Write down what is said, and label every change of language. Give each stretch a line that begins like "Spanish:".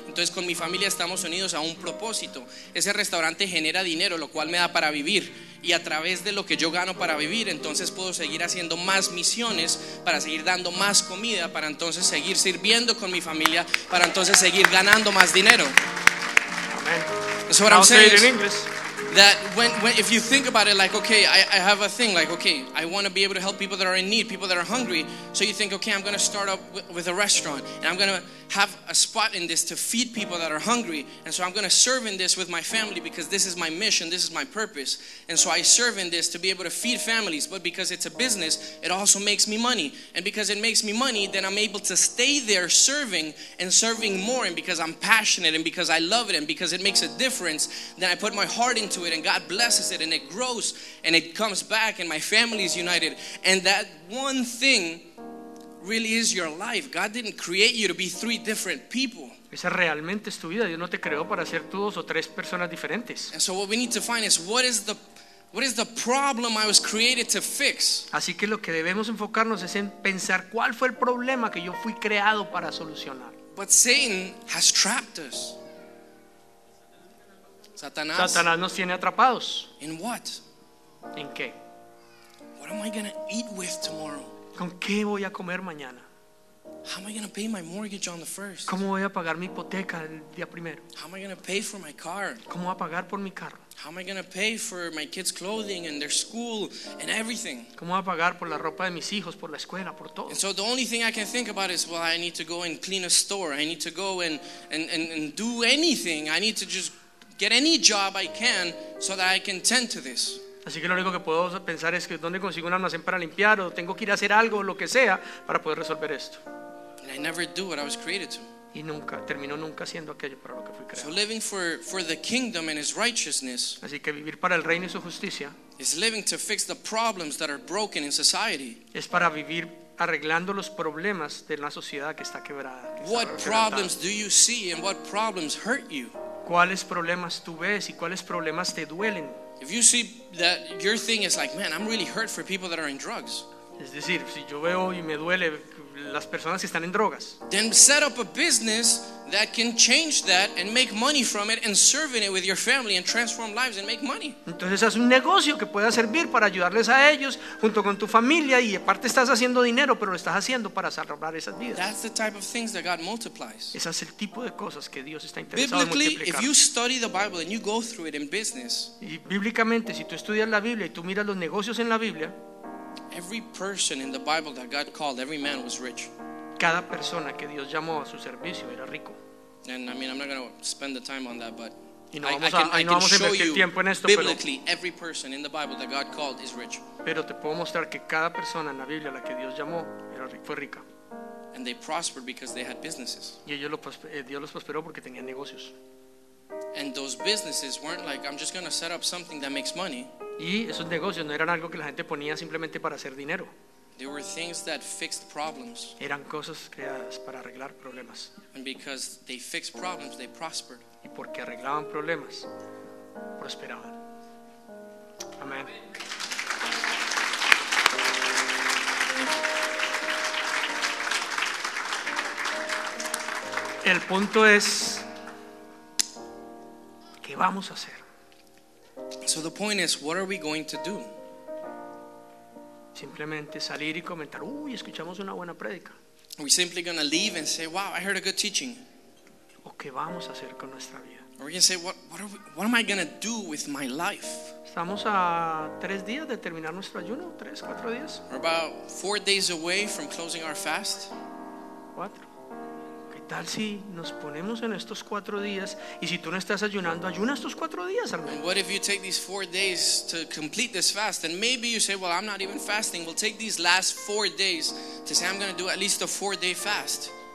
Spanish: Entonces, con mi familia estamos unidos a un propósito. Ese restaurante genera dinero, lo cual me da para vivir. Y a través de lo que yo gano para vivir, entonces puedo seguir haciendo más misiones, para seguir dando más comida, para entonces seguir sirviendo con mi familia, para entonces seguir ganando más dinero. Amen.
English: So what I'll I'm saying say it is in English. That when if you think about it, like, okay, I have a thing, like, okay, I want to be able to help people that are in need, people that are hungry. So you think, okay, I'm going to start up with a restaurant, and I'm going to have a spot in this to feed people that are hungry. And so I'm going to serve in this with my family, because this is my mission, this is my purpose. And so I serve in this to be able to feed families. But because it's a business, it also makes me money. And because it makes me money, then I'm able to stay there serving and serving more. And because I'm passionate and because I love it and because it makes a difference, then I put my heart into it and God blesses it and it grows and it comes back and my family is united. And that one thing really is your life. God didn't create you to be three different people.
Spanish: Esa realmente es tu vida. Dios no te creó para ser tú dos o tres personas diferentes.
English: And so what we need to find is what is the problem I was created to fix.
Spanish: Así que lo que debemos enfocarnos es en pensar cuál fue el problema que yo fui creado para solucionar.
English: But Satan has trapped us.
Spanish: Satanás nos tiene atrapados.
English: In what?
Spanish: ¿En qué?
English: What am I going to eat with tomorrow?
Spanish: ¿Con qué voy a comer mañana?
English: How am I going to pay my mortgage on the first?
Spanish: ¿Cómo voy a pagar mi hipoteca el día primero?
English: How am I going to pay for my car?
Spanish: ¿Cómo voy a pagar por mi carro?
English: How am I going to pay for my kids' clothing and their school and everything?
Spanish: ¿Cómo voy a pagar por la ropa de mis hijos, por la escuela, por todo?
English: And so the only thing I can think about is, well, I need to go and clean a store. I need to go and do anything. I need to just get any job I can so that I can tend to this.
Spanish: Así que lo único que puedo pensar es que dónde consigo un almacén para limpiar o tengo que ir a hacer algo o lo que sea para poder resolver esto.
English: And I never do what I was created to.
Spanish: Y nunca, termino nunca haciendo aquello para lo que fui creado.
English: So living for the kingdom and his righteousness.
Spanish: Así que vivir para el reino y su justicia.
English: Is living to fix the problems that are broken in society.
Spanish: Es para vivir arreglando los problemas de una sociedad que está quebrada.
English: What problems do you see and what problems hurt you?
Spanish: ¿Cuáles problemas tú ves y cuáles problemas te duelen?
English: If you see that your thing is like, man, I'm really hurt for people that are in drugs.
Spanish: Es decir, si yo veo y me duele las personas que están en drogas.
English: Then set up a business that can change that and make money from it and serve in it with your family and transform lives and make money.
Spanish: Entonces haz un negocio que pueda servir para ayudarles a ellos junto con tu familia y aparte estás haciendo dinero, pero lo estás haciendo para salvar esas vidas.
English: That's the type of things that God multiplies.
Spanish: Ese es el tipo de cosas que Dios está interesado
English: biblically,
Spanish: en multiplicar.
English: Biblically, if you study the Bible and you go through it in business.
Spanish: Y bíblicamente, si tú estudias la Biblia y tú miras los negocios en la Biblia.
English: Every person in the Bible that God called, every man was rich.
Spanish: Cada persona que Dios llamó a su servicio era rico.
English: And I mean, I'm not going to spend the time on that, but I can show you biblically,
Spanish: pero
English: every person in the Bible that God called is rich.
Spanish: Pero te puedo mostrar que cada persona en la Biblia a la que Dios llamó fue rica.
English: And they prospered because they had businesses.
Spanish: Y ellos Dios los prosperó porque tenían negocios.
English: And those businesses weren't like, I'm just going to set up something that makes money.
Spanish: Y esos negocios no eran algo que la gente ponía simplemente para hacer dinero.
English: There were things that fixed problems.
Spanish: Eran cosas creadas para arreglar problemas.
English: And because they fixed problems, they prospered.
Spanish: Y porque arreglaban problemas, prosperaban. Amen. El punto es, ¿qué vamos a hacer?
English: So the point is, what are we going to do?
Spanish: Simplemente salir y comentar, uy, escuchamos una buena prédica.
English: We're simply going to leave and say, wow, I heard a good teaching.
Spanish: ¿O qué vamos a hacer con nuestra vida?
English: Or we're going to say, what am I going to do with my life?
Spanish: Estamos a 3 días de terminar nuestro ayuno, 3-4 días.
English: We're about 4 days away from closing our fast. 4.
Spanish: ¿Qué tal si nos ponemos en estos 4 días? Y si tú no estás ayunando, ayuna estos 4 días, hermano.
English: And what if you take these 4 days to complete this fast? And maybe you say, well, I'm not even fasting. We'll take these last 4 days to say I'm going to do at least a 4-day fast.